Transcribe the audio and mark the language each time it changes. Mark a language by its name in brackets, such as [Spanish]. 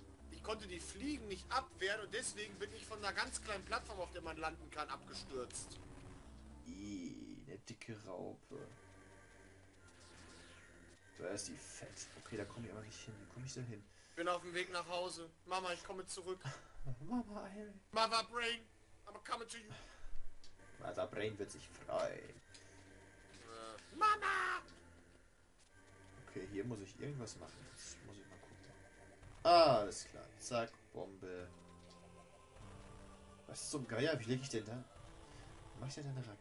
[German] Ich konnte die Fliegen nicht abwehren und deswegen bin ich von einer ganz kleinen Plattform, auf der man landen kann, abgestürzt. Ih, eine dicke Raupe. Da ist die fett. Okay, da komme ich aber nicht hin. Wie komme ich denn hin? Ich bin auf dem Weg nach Hause. Mama, ich komme zurück. Mama, eil. [English] Mother Brain, I'm coming to you. [German] Mother Brain wird sich freuen. Mama! Okay, hier muss ich irgendwas machen. Das muss ich mal gucken. Ah, alles klar. Zack, Bombe. Was zum Geier? Wie leg ich denn da? Mach ich denn da rein?